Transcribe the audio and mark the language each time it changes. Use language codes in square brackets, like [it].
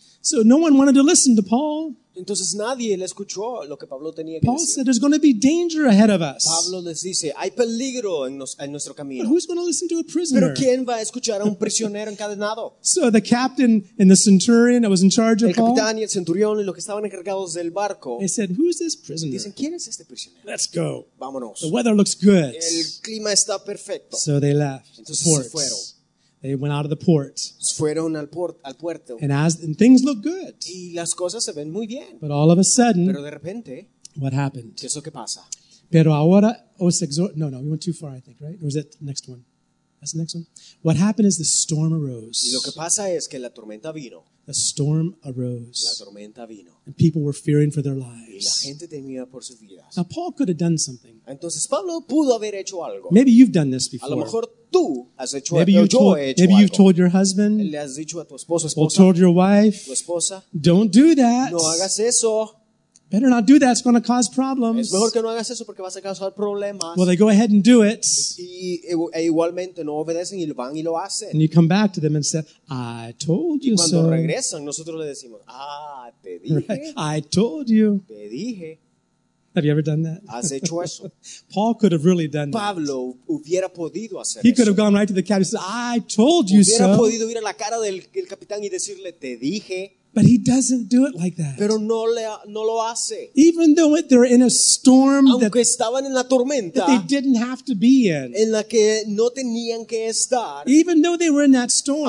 [en] So no one wanted to listen to Paul. [es] Entonces nadie le escuchó lo que Pablo tenía [en] Paul [es] que decir. [en] Said, there's going to be danger ahead of us. [es] Pablo les dice, hay peligro en nuestro camino. [en] But who's going to listen to a prisoner? [es] ¿Pero quién va a escuchar a un prisionero encadenado? [en] So the captain and the centurion that was in charge of [es] el capitán [en] Paul, [es] y el centurión y los que estaban encargados del barco, [en] they said, who's this prisoner? [es] Dicen, ¿quién es este prisionero? [en] Let's go. [es] Vámonos. [en] The weather looks good. [es] El clima está perfecto. [en] So they left. [es] Entonces [en] the ports. [es] Se fueron. [en] They went out of the port. [es] Fueron al puerto. [en] And things look good. [es] Y las cosas se ven muy bien. [en] But all of a sudden, [es] pero de repente, [en] what happened? [es] ¿Qué es lo que pasa? Pero ahora os exhorto. [en] No, we went too far, I think, right? Or is that the next one? That's the next one? What happened is the storm arose. [es] Y lo que pasa es que la tormenta vino. [en] The storm arose. [es] La tormenta vino. [en] And people were fearing for their lives. [es] Y la gente temía por sus vidas. [en] Now, Paul could have done something. [es] Entonces, Pablo pudo haber hecho algo. [en] Maybe you've done this before. [es] A lo mejor, [en] maybe you've told your husband, [es] le has dicho a tu esposo, esposa, [en] or told your wife, [es] tu esposa, [en] don't do that. [es] No hagas eso. [en] Better not do that. It's going to cause problems. [es] Es mejor que no hagas eso porque vas a causar problemas. [en] Well, they go ahead and do it. [es] Y igualmente no obedecen y van y lo hacen. [en] And you come back to them and say, I told you [es] so. Y cuando [en] so. [es] Regresan, nosotros le decimos, te dije. [en] Right? I told you. [es] Te dije. [en] Have you ever done that? [es] Has hecho eso. [en] Paul could have really done [es] Pablo [en] that. [es] Pablo hubiera podido hacer [en] he [es] eso. [en] Could have gone right to the captain and said, I told you [es] hubiera [en] so. [es] Hubiera podido ir a la cara del capitán y decirle, te dije. [en] But he doesn't do it like that. [es] Pero no lo hace. [en] Even though they're in a storm [es] aunque estaban en la tormenta, [en] that they didn't have to be in. [es] En la que no tenían que estar. [en] Even though they were in that storm,